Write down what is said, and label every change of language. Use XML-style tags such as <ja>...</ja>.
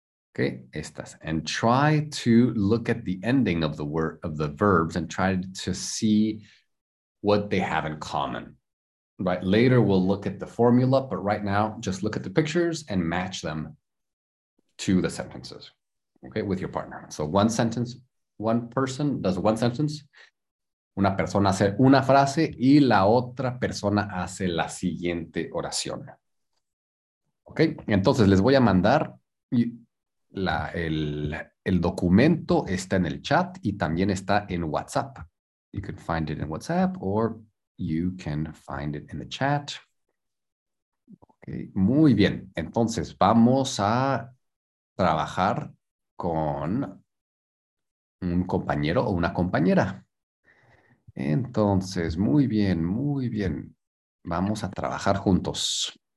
<en>Okay, estas. And try to look at the ending of the word, of the verbs, and try to see what they have in common. Right, later we'll look at the formula, but right now just look at the pictures and match them to the sentences, okay, with your partner. So one sentence, one person does one sentence,</en> <es>una persona hace una frase y la otra persona hace la siguiente oración. Okay, entonces les voy a mandar el documento está en el chat y también está en WhatsApp.</es> <en>You can find it in WhatsApp or you can find it in the chat.</en> <es>Okay, muy bien. Entonces vamos a trabajar con un compañero o una compañera. Entonces, muy bien, muy bien. Vamos a trabajar juntos.</es>